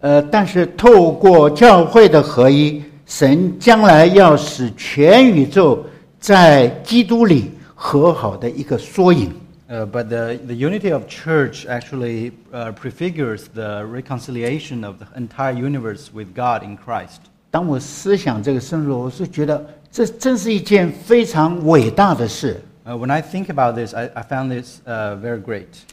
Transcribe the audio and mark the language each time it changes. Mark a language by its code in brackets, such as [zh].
[zh] 但是透过教会的合一, 神将来要使全宇宙在基督里和好的一个缩影。 [en] But the unity of church actually prefigures the reconciliation of the entire universe with God in Christ. [zh] 当我思想这个深入, 我是觉得这真是一件非常伟大的事。 [en] When I think about this, I found this very great.